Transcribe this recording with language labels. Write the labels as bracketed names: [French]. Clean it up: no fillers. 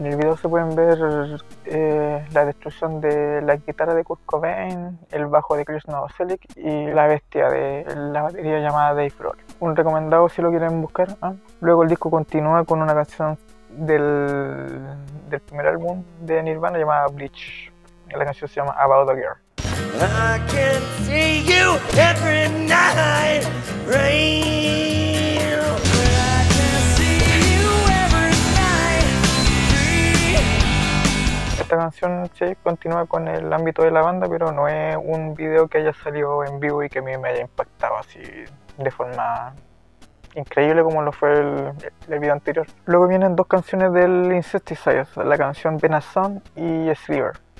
[Spanish] En el video se pueden ver la destrucción de la guitarra de Kurt Cobain, el bajo de Chris Novoselic y la bestia de la batería llamada Dave Grohl. Un recomendado si lo quieren buscar, ¿eh? Luego el disco continúa con una canción del primer álbum de Nirvana llamada Bleach. La canción se llama About a Girl. [English] I can see you every night, rain. But I can see you every night. [Spanish] Esta canción sí continúa con el ámbito de la banda, pero no es un video que haya salido en vivo y que a mí me haya impactado así de forma increíble como lo fue el video anterior. Luego vienen dos canciones del Insecticide, la canción Venom Song y Sliver.